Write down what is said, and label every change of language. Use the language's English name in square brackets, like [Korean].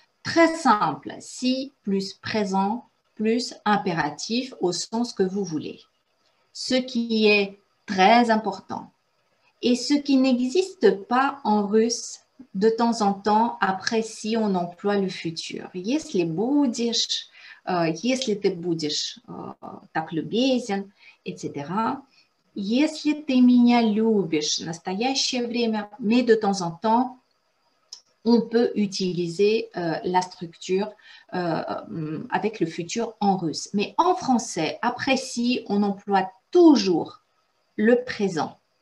[French] Très simple, si plus présent, plus impératif, au sens que vous voulez. Ce qui est très important et ce qui n'existe pas en russe, de temps en temps, après si on emploie le futur. [Russian] Если будешь, если ты будешь так любезен, etc. Если ты меня любишь, настоящее время, [French] mais de temps en temps, on peut utiliser la structure avec le futur en russe. Mais en français, après si, on emploie toujours le présent.